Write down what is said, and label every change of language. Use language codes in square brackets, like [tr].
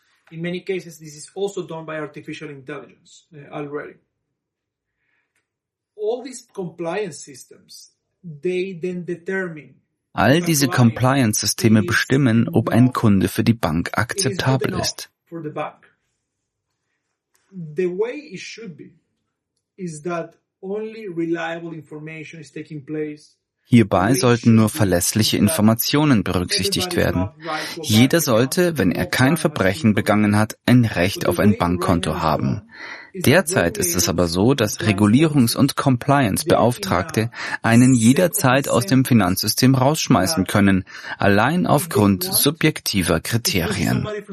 [en] In many cases, this is also done by artificial intelligence already. All these compliance systems, they then determine. [de] All diese Compliance-Systeme bestimmen, ob ein Kunde für die Bank akzeptabel ist. [en] For the bank, the way it should be is that only reliable information is taking place. [de] Hierbei sollten nur verlässliche Informationen berücksichtigt werden. Jeder sollte, wenn er kein Verbrechen begangen hat, ein Recht auf ein Bankkonto haben. Derzeit ist es aber so, dass Regulierungs- und Compliance-Beauftragte einen jederzeit aus dem Finanzsystem rausschmeißen können, allein aufgrund subjektiver Kriterien.